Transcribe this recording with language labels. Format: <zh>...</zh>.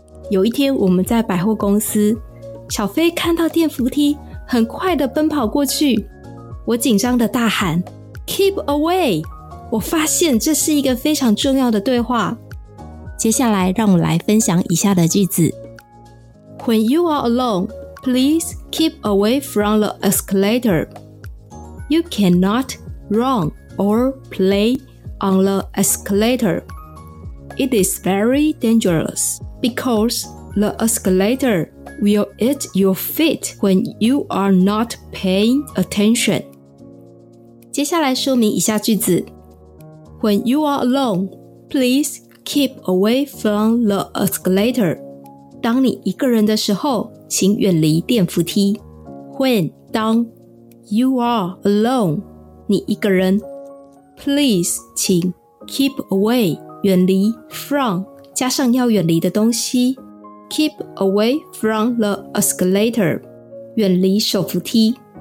<zh>有一天我们在百货公司，小飞看到电扶梯很快地奔跑过去，我紧张地大喊</zh> <en>Keep away，</en> <zh>我发现这是一个非常重要的对话。接下来让我来分享以下的句子。</zh> <en>When you are alone, please keep away from the escalator. You cannot run or play on the escalator. It is very dangerousBecause the escalator will eat your feet when you are not paying attention.</en> <zh>接下来说明以下句子。</zh> <en>When you are alone, please keep away from the escalator.</en> <zh>当你一个人的时候，请远离电扶梯。</zh> <en>When,</en> <zh>当</zh> <en>you are alone,</en> <zh>你一个人</zh> <en>please,</en> <zh>请</zh> <en>keep away,</en> <zh>远离</zh> <en>from,</en> <zh>加上要远离的东西</zh> <en>Keep away from the escalator</en> <zh>远离手扶梯</zh>